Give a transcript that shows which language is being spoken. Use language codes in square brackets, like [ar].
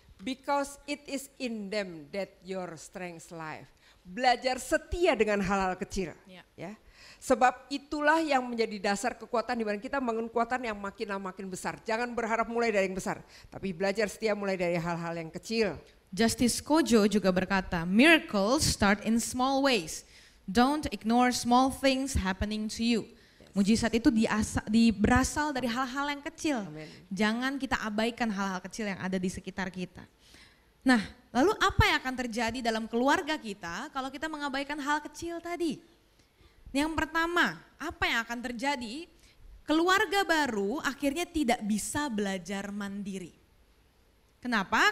[en] Because it is in them that your strength lies. [id] Belajar setia dengan hal-hal kecil. Ya. Sebab itulah yang menjadi dasar kekuatan di mana kita membangun kekuatan yang makin lama makin besar. Jangan berharap mulai dari yang besar, tapi belajar setia mulai dari hal-hal yang kecil. [en] Justice Kojo [id] juga berkata, [en] miracles start in small ways. Don't ignore small things happening to you. [id] Mujizat itu berasal dari hal-hal yang kecil. Amen. Jangan kita abaikan hal-hal kecil yang ada di sekitar kita. Nah, lalu apa yang akan terjadi dalam keluarga kita kalau kita mengabaikan hal kecil tadi? Yang pertama, apa yang akan terjadi? Keluarga baru akhirnya tidak bisa belajar mandiri. Kenapa?